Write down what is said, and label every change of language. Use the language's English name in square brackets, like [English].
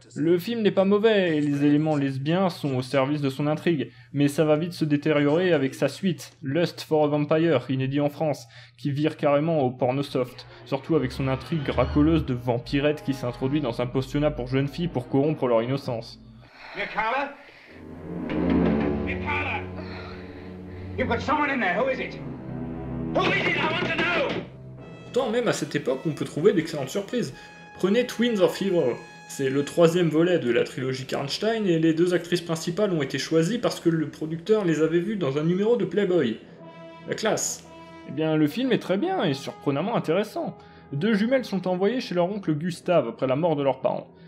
[French] Le film n'est pas mauvais, et les éléments lesbiens sont au service de son intrigue, mais ça va vite se détériorer avec sa suite, Lust for a Vampire, inédit en France, qui vire carrément au porno soft, surtout avec son intrigue racoleuse de vampirette qui s'introduit dans un pensionnat pour jeunes filles pour corrompre leur innocence. [English] Mia Carla? Mia Carla! You've got someone in there, who is it? Who is it? I want to know! [French] Pourtant, même à cette époque, on peut trouver d'excellentes surprises. Prenez Twins of Evil. C'est le troisième volet de la trilogie Karnstein et les deux actrices principales ont été choisies parce que le producteur les avait vues dans un numéro de Playboy. La classe. Eh bien, le film est très bien et surprenamment intéressant. Deux jumelles sont envoyées chez leur oncle Gustave après la mort de leurs parents.